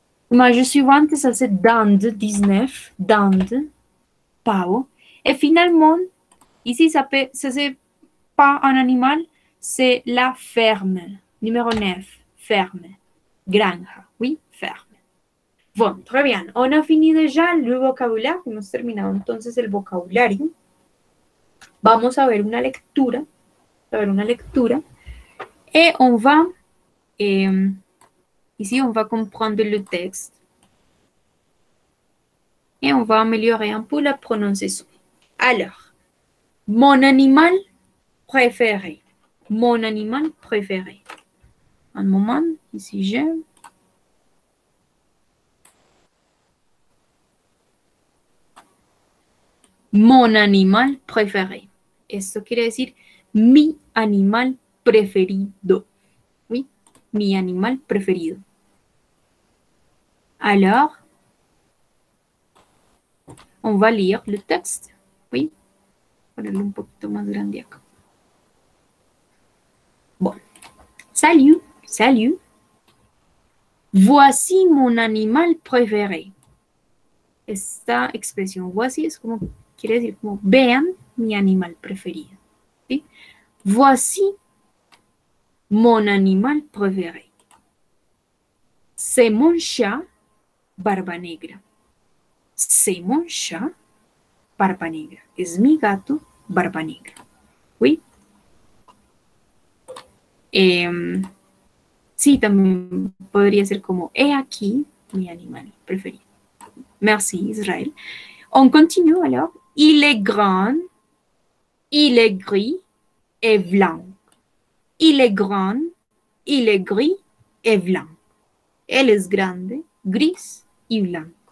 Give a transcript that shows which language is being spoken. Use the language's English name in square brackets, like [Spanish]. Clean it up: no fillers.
[French] Image suivante, ça c'est dinde, 19, dinde, pau. Et finalement, ici, ça peut, ça c'est pas un animal. C'est la ferme, numéro 9, ferme. Granja, oui, ferme. Bueno, très bien. On a fini déjà [Spanish] el vocabulario. Hemos terminado entonces el vocabulario. Vamos a ver una lectura. A ver una lectura. [French] Et on va. Ici, on va comprendre le texte. Et on va améliorer un peu la prononciation. Alors, mon animal préféré. Mon animal préféré. Un moment, ici j'ai. Mon animal préféré. [Spanish] Eso quiere decir mi animal preferido. Mi animal preferido. [French] Alors, on va lire le texte. [Spanish] Oui, ponerlo un poquito más grande acá. [French] Salut, salut. Voici mon animal préféré. [Spanish] Esta expresión, voici, es como, quiere decir como, vean mi animal preferido. ¿Sí? [French] Voici mon animal préféré. C'est mon chat, barba negra. C'est mon chat, barba negra. [Spanish] Es mi gato, barba negra. ¿Oui? Sí, también podría ser como, he aquí mi animal preferido. [French] Merci, Israël. On continue alors. Il est grand, il est gris et blanc. Il est grand, il est gris et blanc. Elle est grande, grise et blanc.